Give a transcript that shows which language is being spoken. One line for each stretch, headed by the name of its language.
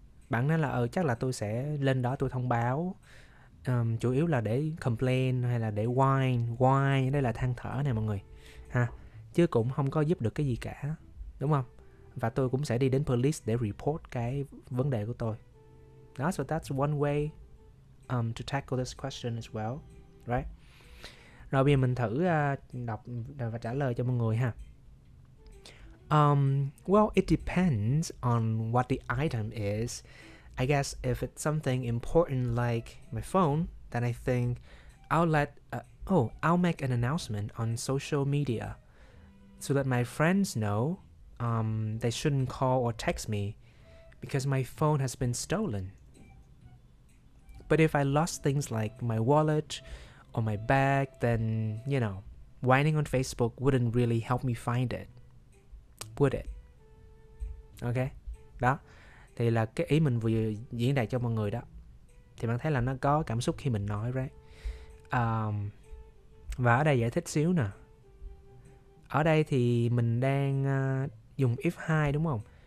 Vietnamese: Bạn nói là chắc là tôi sẽ lên đó tôi thông báo, chủ yếu là để complain hay là để whine. Whine đây là than thở này mọi người ha, chứ cũng không có giúp được cái gì cả, đúng không? Và tôi cũng sẽ đi đến police để report cái vấn đề của tôi đó.
English: So that's one way to tackle this question as well, right?
Vietnamese: Rồi bây giờ mình thử đọc và trả lời cho mọi người ha.
English: Well, it depends on what the item is. I guess if it's something important like my phone, then I think I'll make an announcement on social media so that my friends know they shouldn't call or text me because my phone has been stolen. But if I lost things like my wallet or my bag, then, whining on Facebook wouldn't really help me find it. Would it? Ok.
Vietnamese: Đó. Thì là cái ý mình vừa diễn đạt cho mọi người đó. Thì bạn thấy là nó có cảm xúc khi mình nói, right? Và ở đây giải thích xíu nè. Ở đây thì mình đang dùng if hai đúng không?